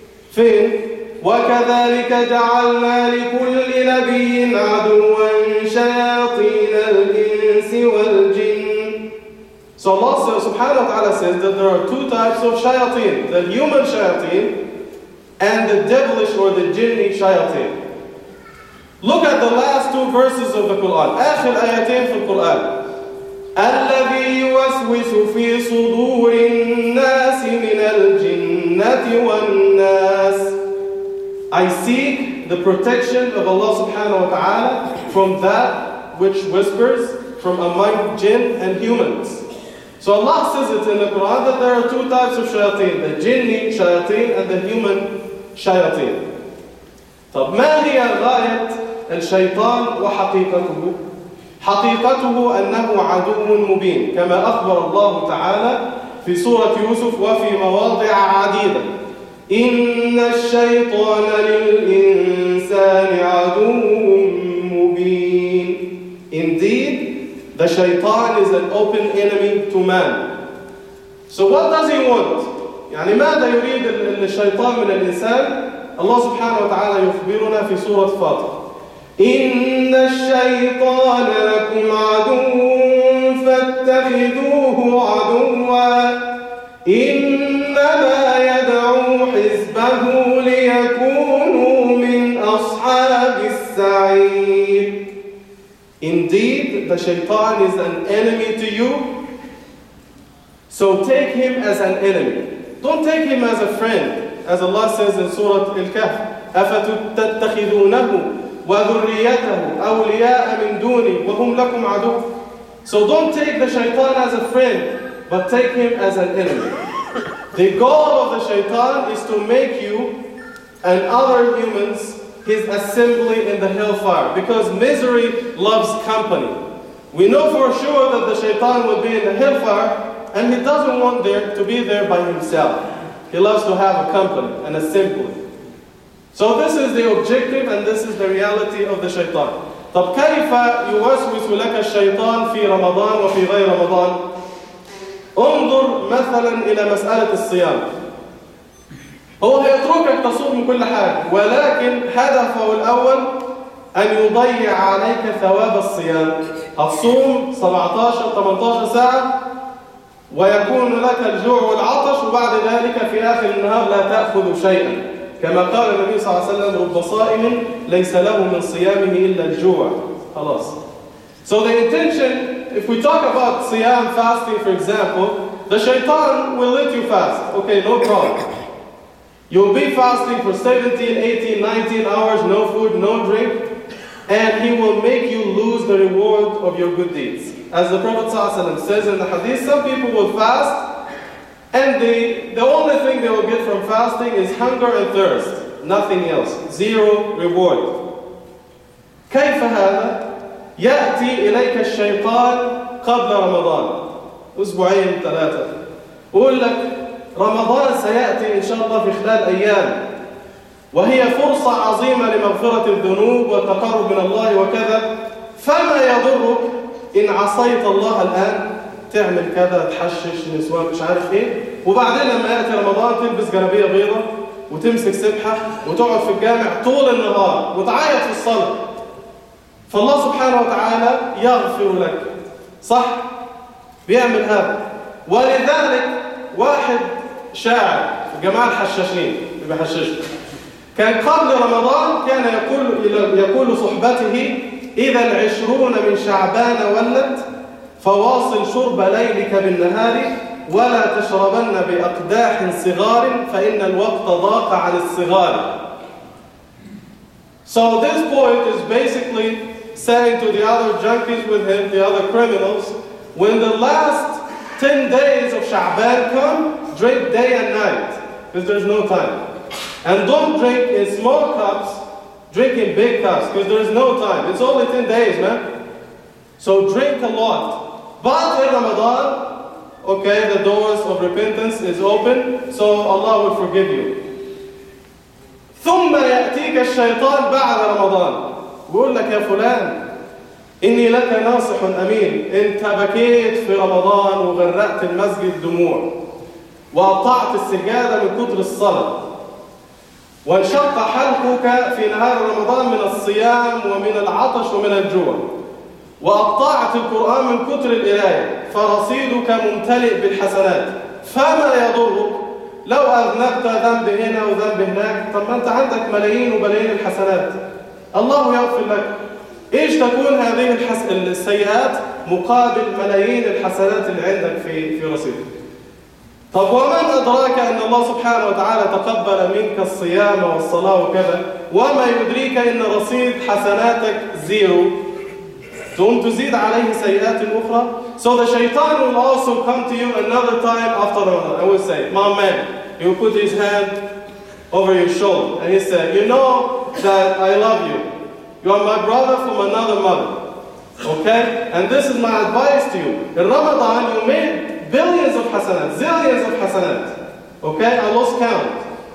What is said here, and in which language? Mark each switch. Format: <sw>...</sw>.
<ar>Fi وكذلك جعلنا لكل نبي عدوا شياطين الإنس والجن.</ar> <en>So Allah subhanahu wa ta'ala says that there are two types of shayateen, the human shayateen and the devilish or the jinni shayateen. Look at the last two verses of the Quran.</en> <ar>آخر آياتين في القرآن. الذي يوسوس في صدور الناس من الجنة والناس.</ar> <en>I seek the protection of Allah subhanahu wa ta'ala from that which whispers from among jinn and humans. So Allah says it in the Quran that there are two types of shayateen, the jinni shayateen and the human shayateen.</en> <ar>طب ما هي غاية الشيطان وحقيقته؟ حقيقته أنه عدو مبين، كما أخبر الله تعالى في سورة يوسف وفي مواضع عديدة: إن الشيطان للإنسان عدو مبين.</ar> <en>Indeed, the shaitan is an open enemy to man. So what does he want?</en> <ar>يعني ماذا يريد الشيطان من الإنسان؟ الله سبحانه وتعالى يخبرنا في سورة فاطر: إن الشيطان لكم عدو فاتخذوه عدوا إنما يدعو حزبه ليكونوا من أصحاب السعير.</ar> <en>Indeed, the shaitan is an enemy to you. So take him as an enemy. Don't take him as a friend. As Allah says in Surah Al-Kahf,</en> <ar>أَفَتُتَّخِذُونَهُ وَذُرِّيَّتَهُ أَوْلِيَاءَ مِن دُونِي وَهُمْ لَكُمْ عَدُوٌّ.</ar> <en>So don't take the shaitan as a friend, but take him as an enemy. The goal of the shaitan is to make you and other humans his assembly in the hellfire, because misery loves company. We know for sure that the shaitan will be in the hellfire, and he doesn't want there to be there by himself. He loves to have a company, an assembly. So this is the objective and this is the reality of the shaitan.</en> <ar>طب كيف يوسوس لك الشيطان في رمضان وفي غير رمضان؟ انظر مثلا إلى مسألة الصيام. هو يتركك تصوم كل حاجة، ولكن هدفه الأول أن يضيع عليك ثواب الصيام. هتصوم 17-18 ساعة ويكون لك الجوع والعطش، وبعد ذلك في آخر النهار لا تأخذ شيئا، كما قال النبي صلى الله عليه وسلم: رب صائم ليس له من صيامه إلا الجوع. خلاص.</ar> <en>So the intention, if we talk about صيام fasting for example, the shaitan will let you fast. Okay, no problem. You'll be fasting for 17, 18, 19 hours, no food, no drink, and he will make you lose the reward of your good deeds. As the Prophet ﷺ says in the hadith, some people will fast, and the only thing they will get from fasting is hunger and thirst, nothing else, zero reward.</en> <ar>كيف هذا؟ يأتي إليك الشيطان قبل رمضان، أسبوعين ثلاثة، ويقول لك رمضان سيأتي إن شاء الله في خلال أيام، وهي فرصة عظيمة لمغفرة الذنوب والتقرب من الله وكذا، فما يضرك إن عصيت الله الآن تعمل كذا، تحشش نسوان مش عارف إيه، وبعدين لما يأتي رمضان تلبس جلابية بيضة وتمسك سبحة وتقعد في الجامع طول النهار وتعيط في الصلاة، فالله سبحانه وتعالى يغفر لك. صح؟ بيعمل هذا. ولذلك واحد شاعر في جماعة الحشاشين اللي بيحششوا كان قبل رمضان كان يقول صحبته: إذا العشرون من شعبان ولت فواصل شرب ليلك بالنهار ولا تشربن بأقداح صغار فإن الوقت ضاق على الصغار.</ar> <en>So this poet is basically saying to the other junkies with him, the other criminals, when the last 10 days of Sha'ban come, drink day and night, because there's no time. And don't drink in small cups, drink in big cups, because there's no time. It's only 10 days, man. So drink a lot. But in Ramadan, okay, the doors of repentance is open, so Allah will forgive you.</en> <ar>ثم يأتيك الشيطان بعد رمضان ويقول لك: يا فلان إني لك ناصح أمين، أنت بكيت في رمضان وغرقت المسجد دموع وقطعت السجادة من كتر الصلاة وانشق حلقك في نهار رمضان من الصيام ومن العطش ومن الجوع وقطعت القرآن من كتر القراية، فرصيدك ممتلئ بالحسنات، فما يضرك لو أذنبت ذنب هنا وذنب هناك؟ طب ما أنت عندك ملايين وبلايين الحسنات، الله يغفر لك. إيش تكون هذه السيئات مقابل ملايين الحسنات اللي عندك في رصيدك؟ طب ومن أدراك أن الله سبحانه وتعالى تقبل منك الصيام والصلاة وكذا؟ وما يدريك أن رصيد حسناتك زيرو؟ تقوم تزيد عليه سيئات أخرى؟</ar> <en>So the shaitan will also come to you another time after Ramadan. I will say, my man, he will put his hand over your shoulder and he said, you know that I love you. You are my brother from another mother. Okay? And this is my advice to you. In Ramadan, you made billions of hasanat, zillions of hasanat. Okay? I lost count.</en>